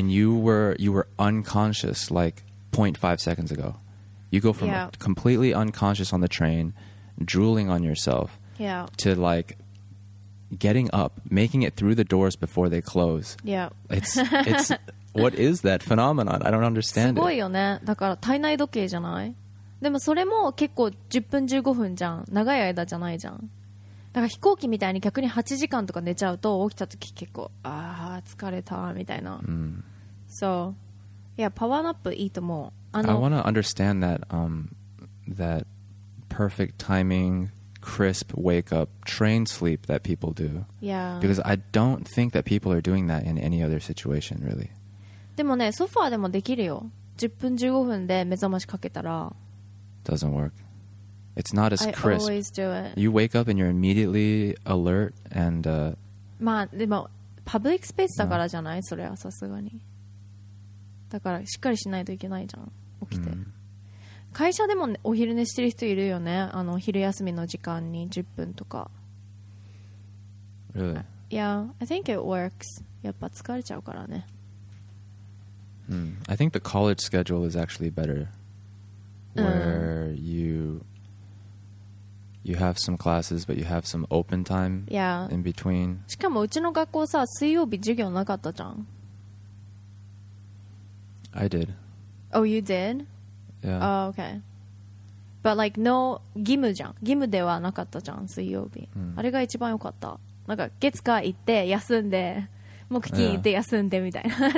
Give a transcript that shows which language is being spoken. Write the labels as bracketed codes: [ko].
[en] And you were unconscious, like, 0.5 seconds ago. You go from yeah. completely unconscious on the train, drooling on yourself, yeah. to, like, getting up, making it through the doors before they close. Yeah. It's what is that phenomenon? I don't understand [ja] it. すごいよね。だから体内時計じゃない?でもそれも結構10分15分じゃん。長い間じゃないじゃん。だから飛行機みたいに逆に8時間とか寝ちゃうと起きた時結構ああ疲れたみたいな。 Mm. [en] So, yeah, power nap [ja] いいと思う。 [en] あの、I want to understand that, that perfect timing, crisp wake up, train sleep that people do. Yeah. Because I don't think that people are doing that in any other situation, really. [ja] でもね、ソファーでもできるよ。10分15分で目覚ましかけたら。 [en] Doesn't work. It's not as crisp. I always do it. You wake up and you're immediately alert and [ja] まあでもパブリックスペースだからじゃない、no. それはさすがにだからしっかりしないといけないじゃん起きて、mm. 会社でも、ね、お昼寝してる人いるよねあの昼休みの時間に10分とか [en] Really? Yeah, I think it works. [ja] やっぱ疲れちゃうからね、 mm. [en] I think the college schedule is actually betterWhere you have some classes, but you have some open time yeah. in between. [ja] しかもうちの学校さ、水曜日授業なかったじゃん。 [en] I did. Oh, you did? Yeah. Oh, okay. But like, no, [ja] 義務じゃん。義務ではなかったじゃん、水曜日。 Mm. あれが一番良かった。なんか月火行って休んで、木金行って休んでみたいな。